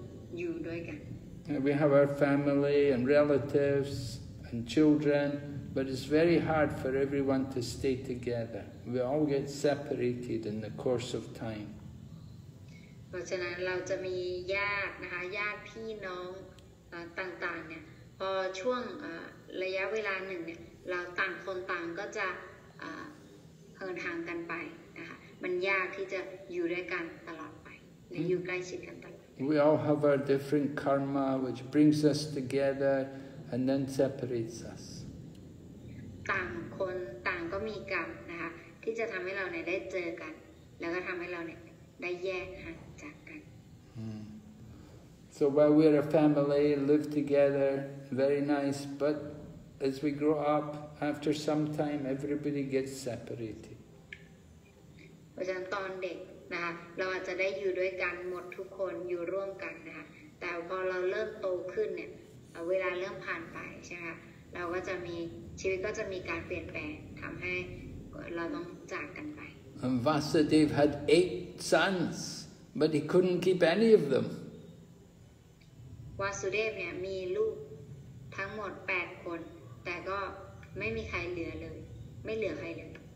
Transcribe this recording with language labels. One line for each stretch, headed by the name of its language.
English: We have our family and relatives and children, but it's very hard for everyone to stay together. We all get separated in the course of time.
Thai: เพราะฉะนั้นเราจะมีญาตินะคะญาติพี่น้องต่างๆเนี่ยพอช่วงระยะเวลาหนึ่งเนี่ยเราต่างคนต่างก็จะเหินห่างกันไปนะคะมันยากที่จะอยู่ด้วยกันตลอดไปหรืออยู่ใกล้ชิดกันตลอด
English: We all have our different karma, which brings us together and then separates us.
Thai: ต่างคนต่างก็มีกรรมนะคะที่จะทำให้เราเนี่ยได้เจอกันแล้วก็ทำให้เราเนี่ยได้แยกห่างจากกัน
English: So while we're a family, live together, very nice. But as we grow up, after some time, everybody gets separated.
Thai: เพราะฉะนั้นตอนเด็กนะคะเราอาจจะได้อยู่ด้วยกันหมดทุกคนอยู่ร่วมกันนะคะแต่พอเราเริ่มโตขึ้นเนี่ยเวลาเริ่มผ่านไปใช่ไหมคะเราก็จะมีชีวิตก็จะมีการเปลี่ยนแปลงทำให้เราต้องจากกันไป
English: And Vasudeva had 8 sons but he couldn't keep any of them
Thai: Vasudeva เนี่ยมีลูกทั้งหมด8คนแต่ก็ไม่มีใครเหลือเลยไม่เหลือใครเลย